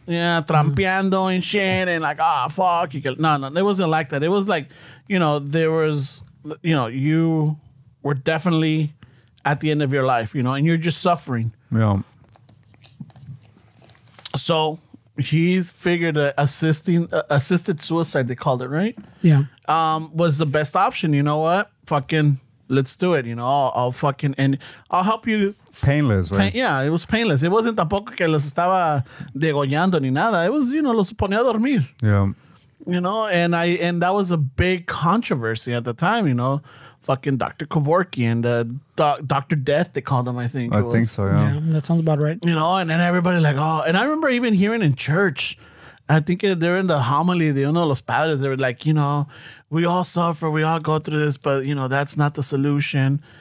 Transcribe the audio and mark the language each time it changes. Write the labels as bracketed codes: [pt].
[en] Yeah, trampeando and shit, and like, oh, fuck. No, it wasn't like that. It was like, you know, there was, you know, you were definitely at the end of your life, you know, and you're just suffering. Yeah. So he's figured assisted suicide, they called it, right? Yeah. Was the best option. You know what? Fucking let's do it. You know, I'll fucking, and I'll help you. Painless, right? Yeah, it was painless. It wasn't [es] tampoco que los estaba degollando ni nada. [en] It was, you know, [es] los ponía a dormir. [en] Yeah. You know, and that was a big controversy at the time, you know. Fucking Dr. Kevorkian and Dr. Death, they called him, I think. I think so, yeah. That sounds about right. You know, and then everybody like, oh. And I remember even hearing in church, I think they're in the homily, the [es] uno de los padres, [en] they were like, you know, we all suffer, we all go through this, but, you know, that's not the solution.